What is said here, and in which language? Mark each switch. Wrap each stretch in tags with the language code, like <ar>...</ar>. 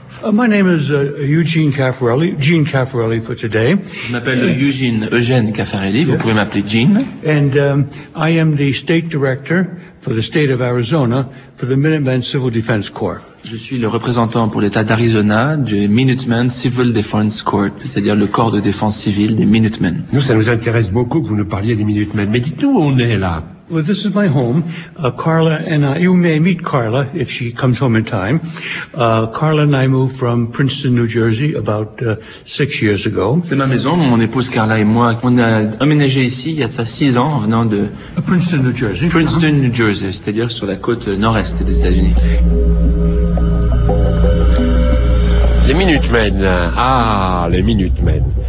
<en>My name is Eugene Caffarelli, Gene Caffarelli for today.</en> <fr>Je m'appelle Eugène Caffarelli, vous pouvez m'appeler Gene.</fr> <en>And I am the state director for the state of Arizona for the Minuteman Civil Defense Corps.</en> <fr>Je suis le représentant pour l'état d'Arizona du Minuteman Civil Defense Corps, c'est-à-dire le corps de défense civile des Minutemen. Nous, ça nous intéresse beaucoup que vous nous parliez des Minutemen, mais dites-nous où on est là.</fr> <en>Well, this is my home. Carla and I, you may meet Carla if she comes home in time. Carla and I moved from Princeton, New Jersey about 6 years ago.</en> <fr>C'est ma maison, mon épouse Carla et moi. On a aménagé ici il y a ça 6 ans en venant de Princeton, New Jersey. Princeton, New Jersey, c'est-à-dire sur la côte nord-est des États-Unis. Les Minutemen. Ah, les Minutemen.</fr>